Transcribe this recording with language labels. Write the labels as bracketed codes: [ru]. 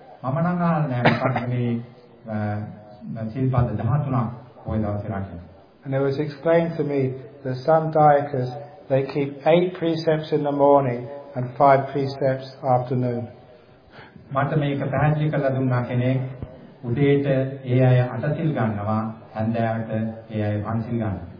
[si] මම නම් අහන්නේ නැහැ මේ සිල්පද 13ක් පොය දවස්වල රකින. [en] And it was explained to me that some dayakas, they keep 8 precepts in the morning and 5 precepts afternoon. [si] මට මේක පැහැදිලි කරලා දුන්නා කෙනෙක් උදේට ඒ අය 8 සිල් ගන්නවා හන්දෑවට ඒ අය 5 සිල් ගන්නවා.